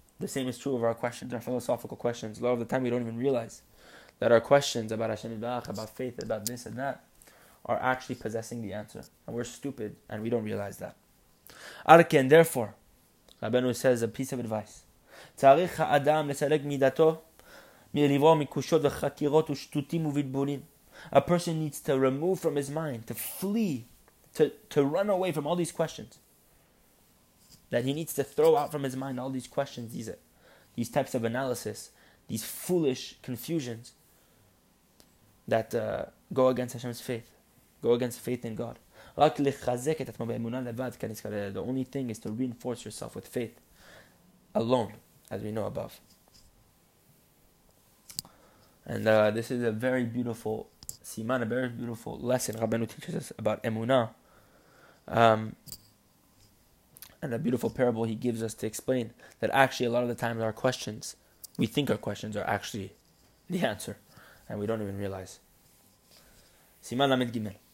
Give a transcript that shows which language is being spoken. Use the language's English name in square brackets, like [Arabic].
[English] The same is true of our questions, our philosophical questions. A lot of the time, we don't even realize that our questions about Hashem Yitbarach, about faith, about this and that, are actually possessing the answer. And we're stupid, and we don't realize that. Arken, therefore, Rabbeinu says a piece of advice. [Hebrew] צריך האדם לסלק מידתו מלברוע מקושות וחקירות ושטותים ובלבולים. [English] A person needs to remove from his mind, to flee, to run away from all these questions. That he needs to throw out from his mind all these questions, these types of analysis, these foolish confusions that go against Hashem's faith, go against faith in God. [Hebrew] רק לחזק את עצמו באמונה לבד, כאן נזכר לדעת. [English] The only thing is to reinforce yourself with faith alone, as we know above. And this is a very beautiful siman, a very beautiful lesson Rabbeinu teaches us about emunah. And a beautiful parable he gives us to explain that actually a lot of the times our questions, we think our questions are actually the answer. And we don't even realize. [Hebrew] Siman lamed gimel.